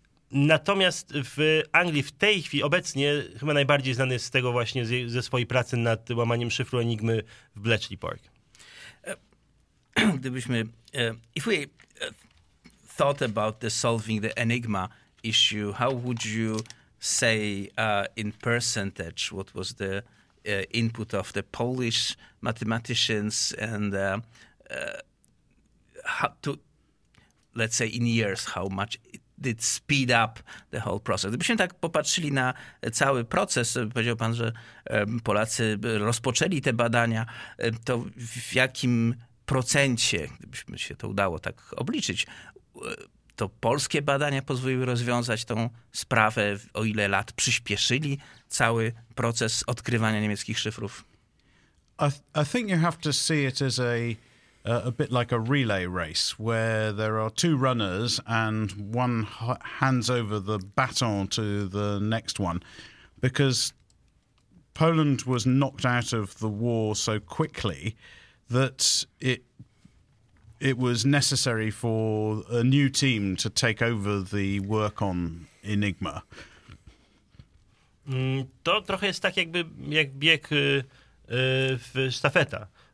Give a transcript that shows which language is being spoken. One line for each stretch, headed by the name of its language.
Polish: Natomiast w Anglii w tej chwili obecnie chyba najbardziej znany jest z tego właśnie ze swojej pracy nad łamaniem szyfru Enigmy w Bletchley Park.
English: Gdybyśmy if we thought about the solving the Enigma issue, how would you say in percentage what was the input of the Polish mathematicians and how to, let's say in years, how much it did speed up the whole process.
Polish: Gdybyśmy tak popatrzyli na cały proces, powiedział pan, że Polacy rozpoczęli te badania, to w jakim procencie, gdybyśmy się to udało tak obliczyć, to polskie badania pozwoliły rozwiązać tą sprawę, o ile lat przyspieszyli cały proces odkrywania niemieckich szyfrów?
English: I think you have to see it as a bit like a relay race, where there are two runners and one hands over the baton to the next one. Because Poland was knocked out of the war so quickly that it was necessary for a new team to take over the work on Enigma.
Polish: To trochę jest tak jakby jak bieg w sztafeta.